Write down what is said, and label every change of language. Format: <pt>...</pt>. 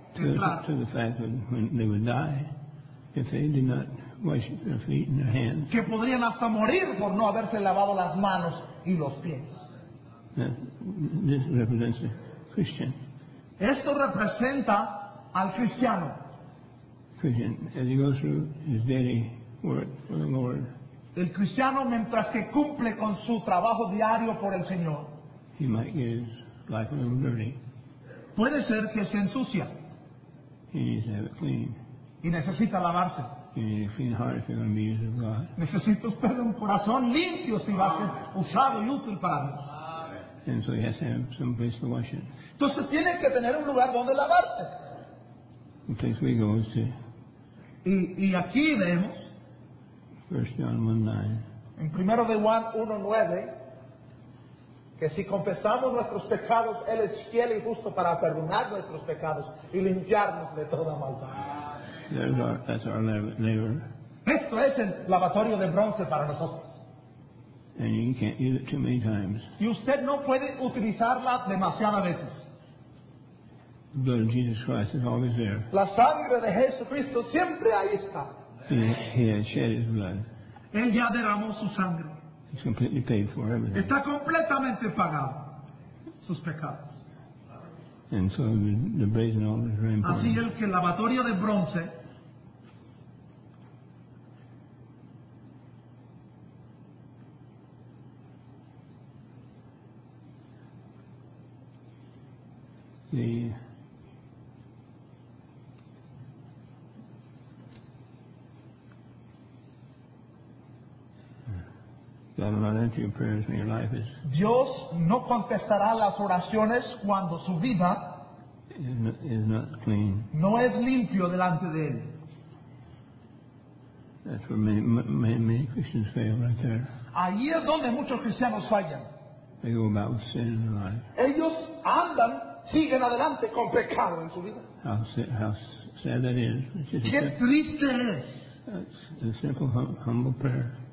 <en>To the fact that when they would die, if they did not wash their feet and their hands,</en> <es>que podrían hasta morir por no haberse lavado las manos y los pies.</es> <en>This represents a Christian.</en> <es>Esto representa al cristiano.</es> <en>Christian, as he goes through his daily work for the Lord.</en> <es>El cristiano, mientras que cumple con su trabajo diario por el Señor,</es> <en>he might get his life a little dirty.</en> <es>Puede ser que se ensucia.</es> <en>He needs to have it clean.</en> <es>Y necesita lavarse.</es> <en>You need a clean heart if you're going to be used of God.</en> <es>Necesita usted un corazón limpio si va a ser usado y útil para Dios.</es> <en>And so he has to have some place to wash it.</en> <es>Entonces tiene que tener un lugar donde lavarse.</es> <en>The place we go is to.</en> <es>Y aquí vemos.</es> <en>1 John 1:9.</en> <es>En 1 Juan 1:9. Que si confesamos nuestros pecados, Él es fiel y justo para perdonar nuestros pecados y limpiarnos de toda maldad.</es> <en>That's our labor.</en> <es>Esto es el lavatorio de bronce para nosotros.</es> <en>And you can't use it too many times.</en> <es>Y usted no puede utilizarla demasiadas veces.</es> <en>The blood of Jesus Christ is always there.</en> <es>La sangre de Jesucristo siempre ahí está.</es> <en>He has shed his blood.</en> <es>Él ya derramó su sangre.</es> <en>He's completely paid for everything.</en> <es>Está completamente pagado sus pecados.</es> <en>And so the brazen altar is very important.</en> <es>Así el que el lavatorio de bronce</es> <en>God will not answer your prayers when your life is.</en> <es>Dios no contestará las oraciones cuando su vida</es> <en>is not clean.</en> <es>No es limpio delante de él.</es> <en>That's where many Christians fail right there.</en> <es>Ahí es donde muchos cristianos fallan.</es> <en>They go about with sin in their life.</en> <es>Ellos andan, siguen adelante con pecado en su vida.</es> <en>How sad that is.</en> <es>Qué triste es.</es> <en>That's a simple, humble prayer.</en>